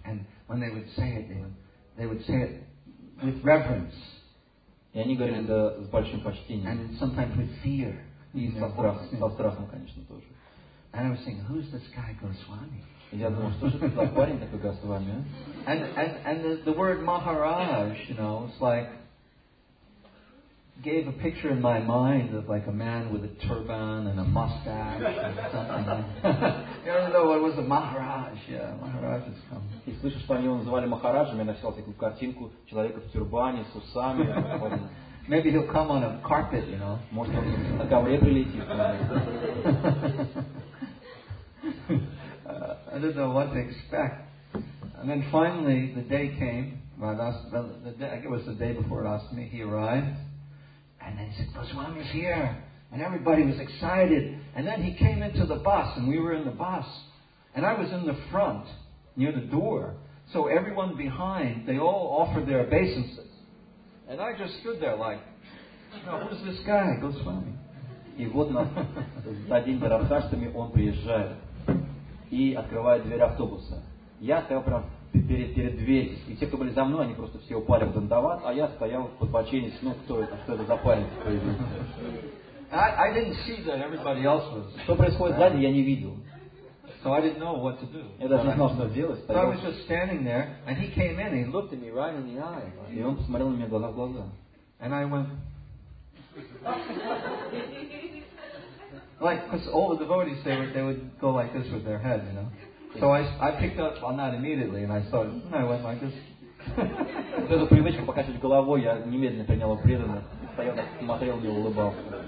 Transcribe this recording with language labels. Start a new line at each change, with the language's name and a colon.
English: And when they would say it, they would say it with reverence.
Russian: И они говорили это с большим почтением.
English: And sometimes with fear.
Russian: И со страхом, конечно, тоже.
English: And I was saying, who's this guy Goswami?
Russian: Я думал, что же это за парень такой Госвами, а?
English: And the word Maharaj, you know, it's like, gave a picture in my mind of like a man with a turban and a mustache and something. You don't know, it was a Maharaj. Yeah, Maharaj has come.
Russian: И слышишь, что они его называли Махараджами, я написал такую картинку человека в тюрбане, с усами.
English: Maybe he'll come on a carpet, you know.
Russian: Может, он на ковре прилетит.
English: I didn't know what to expect. And then finally, the day came. Radhastami, I guess it was the day before Radhastami, he arrived. And then he said, Goswami's here. And everybody was excited. And then he came into the bus, and we were in the bus. And I was in the front, near the door. So everyone behind, they all offered their obeisances. And I just stood there like, who's this guy? Goswami.
Russian: И вот за день до Рабхаштами он приезжает и открывает дверь автобуса. Я стоял прям перед дверью. И те, кто были за мной, они просто все упали в дандават, а я стоял в подбоченец. Ну, кто это? Что это за парень?
English: I didn't see that everybody else was.
Russian: Что происходит сзади, я не видел.
English: So I didn't know what to do.
Russian: Я даже не знал, что делать.
English: So I was just standing there, and he came in, and he looked at me right in the eye.
Russian: И он посмотрел на меня глаза в глаза.
English: And I went... Like, because all the devotees, they would go like this with their head, you know? So I picked up on that immediately, and I started, and I went like this.
Russian: Вот эту привычку покачать головой, я немедленно принял преданных. Стоял, смотрел и улыбался.